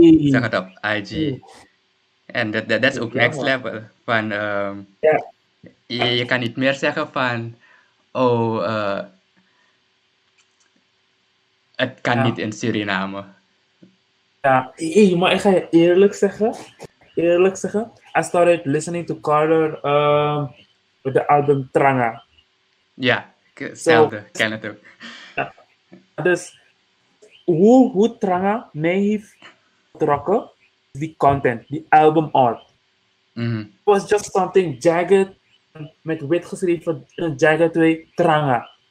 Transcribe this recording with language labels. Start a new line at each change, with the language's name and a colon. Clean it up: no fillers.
Dutch: Zag het op IG. En dat is ook next level van... Je kan niet meer zeggen van, oh, Het kan niet in Suriname. Ja, hey, maar ik ga je eerlijk zeggen. Eerlijk zeggen.
English: I started listening to Carter with the album Tranga.
Dutch: Ja,
English: So,
Dutch: hetzelfde, ken het ook. dus hoe Tranga mij heeft getrokken, die content, die album art.
English: It was just something jagged,
Dutch: met wit geschreven,
English: in jagged way, Tranga.